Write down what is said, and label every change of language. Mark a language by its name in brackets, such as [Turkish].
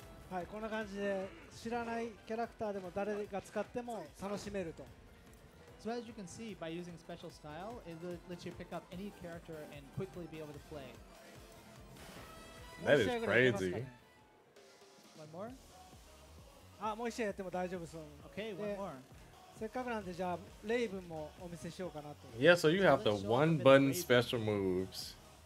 [English] Hi, [Japanese] こんな感じで知らないキャラクターでも誰が使っても楽しめると。 [English] So as you can see, by using special style, it lets you pick up any character and quickly be able to play. That is crazy. One more? [Japanese] あ、もう一試合やっても大丈夫そう。 [English] Okay, one more. [Japanese] せっかくなんでじゃあレイブンもお見せしようかなと。 [English] Yeah, so you have the one button special moves.